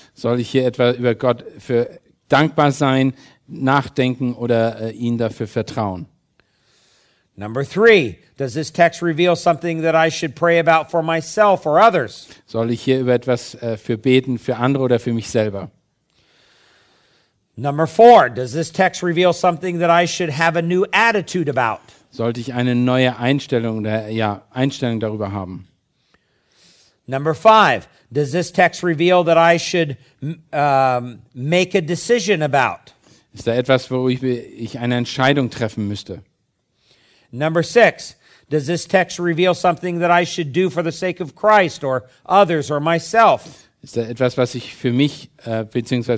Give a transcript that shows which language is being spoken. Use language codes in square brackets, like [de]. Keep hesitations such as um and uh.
[de] Soll ich hier etwa über Gott für dankbar sein, nachdenken oder äh, ihn dafür vertrauen? [en] Number three, does this text reveal something that I should pray about for myself or others? [de] Soll ich hier über etwas äh, für beten für andere oder für mich selber? [en] Number four, does this text reveal something that I should have a new attitude about? [de] Sollte ich eine neue Einstellung der äh, ja Einstellung darüber haben? [en] Number five, does this text reveal that I should uh, make a decision about? [de] Ist da etwas, worüber ich, ich eine Entscheidung treffen müsste? [en] Number six, does this text reveal something that I should do for the sake of Christ or others or myself? [de] Ist da etwas, was ich für mich äh, bzw.